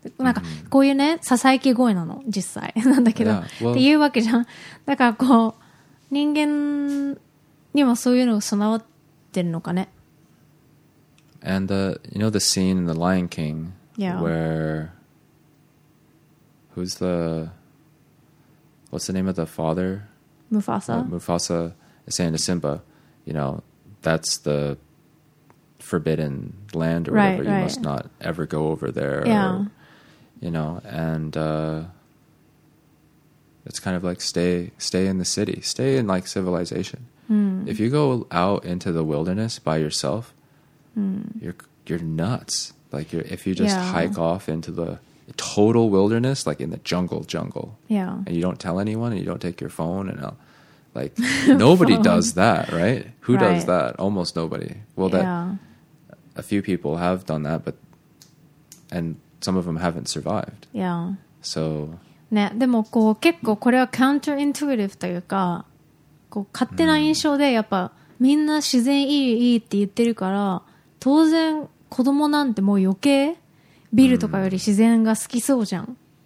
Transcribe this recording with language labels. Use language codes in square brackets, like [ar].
[ja] なんかこういうね、ささやき声なの実際なんだけど、 [en] yeah. well, [ja] っていうわけじゃん。だからこう人間にもそういうのが備わってるのかね。 [en] And the, you know, the scene in The Lion King, yeah, where what's the name of the father? Mufasa. Mufasa is saying to Simba, you know, that's the forbidden land or right, whatever. You right. must not ever go over there. Yeah. Or, you know, and it's kind of like stay in the city, stay in like civilization. Mm. If you go out into the wilderness by yourself, you're nuts. Like if you just hike off into the total wilderness, like in the jungle, and you don't tell anyone and you don't take your phone and like nobody does that, right? Who does that? Almost nobody. Well, that a few people have done that, but, and some of them haven't survived. Yeah. So. [ja] ね、でもこう結構これはカウンターイントゥイティブというか、こう勝手な印象でやっぱみんな自然いいいいって言ってるから、当然子供なんてもう余計ビルとかより自然が好きそうじゃん。